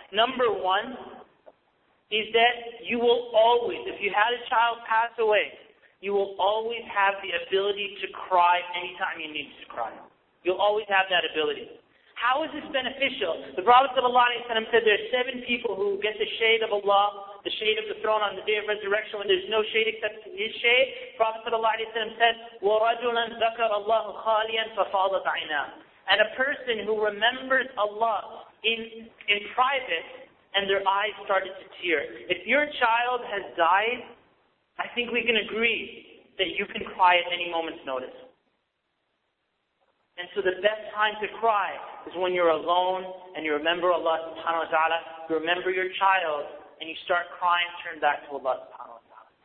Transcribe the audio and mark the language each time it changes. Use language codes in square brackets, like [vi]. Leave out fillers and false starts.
[en] Number one is that you will always, if you had a child pass away, you will always have the ability to cry anytime you need to cry. You'll always have that ability. How is this beneficial? The Prophet ﷺ said there are seven people who get the shade of Allah, the shade of the throne on the day of resurrection when there's no shade except His shade. The Prophet ﷺ said, [ar] وَرَجُلًا ذَكَرَ اللَّهُ خَالِيًا فَفَالَتْ عَيْنَاهُ. [en] And a person who remembers Allah in private, and their eyes started to tear. If your child has died, I think we can agree that you can cry at any moment's notice. And so the best time to cry is when you're alone and you remember Allah subhanahu wa ta'ala, you remember your child, and you start crying, turn back to Allah subhanahu wa ta'ala.